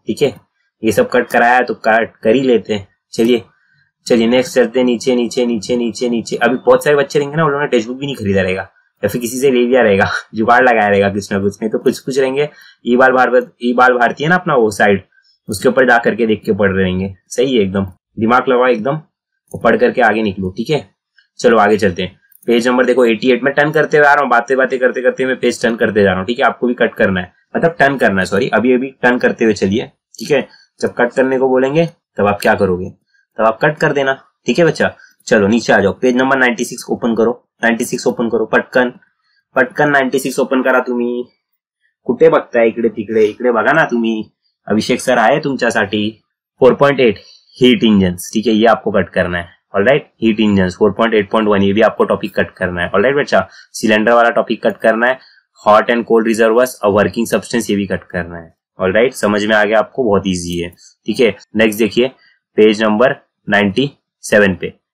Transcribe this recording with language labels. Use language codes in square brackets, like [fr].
[hi] ठीक है, ये सब कट कराया तो कट कर ही लेते हैं, चलिए चलिए नेक्स्ट चलते हैं, नीचे नीचे नीचे नीचे नीचे, अभी बहुत सारे बच्चे रहेंगे ना, उन्होंने टेक्स्ट बुक भी नहीं खरीदा रहेगा, या फिर किसी से ले लिया रहेगा, जुगाड़ लगाया रहेगा कुछ ना कुछ, नहीं तो कुछ कुछ रहेंगे ई बाल भारती है ना अपना, वो साइड उसके ऊपर जा करके देख के पढ़ रहेंगे, सही है एकदम, दिमाग लगाओ एकदम, पढ़ करके आगे निकलो। ठीक है, चलो आगे चलते हैं, पेज नंबर देखो 88 में टर्न करते हुए आ रहा हूँ, बातें करते मैं पेज टर्न करते जा रहा हूँ। ठीक है, आपको भी कट करना है, मतलब टर्न करना है, सॉरी अभी टर्न करते हुए चलिए। ठीक है, जब कट करने को बोलेंगे तब आप क्या करोगे, तब आप कट कर देना। ठीक है बच्चा, चलो नीचे आ जाओ, पेज नंबर 96 ओपन करो, [mr] 96 ओपन करो, पटकन 96 ओपन करा, तुम्ही कुठे बघताय, इकडे तिकडे बघा ना तुम्ही, अभिषेक सर आहे तुमच्यासाठी। [hi] 4.8 हीट इंजन्स, ठीक है, ये आपको कट करना है। ऑलराइट, हीट इंजन्स 4.8.1 ये भी आपको टॉपिक कट करना है। ऑलराइट बच्चा, सिलेंडर वाला टॉपिक कट करना है, हॉट एंड कोल्ड रिजर्वर्स और वर्किंग सब्सटेंस ये भी कट करना है। ऑलराइट, समझ में आ गया आपको, बहुत इजी है। ठीक है, नेक्स्ट देखिए पेज नंबर 97 पे।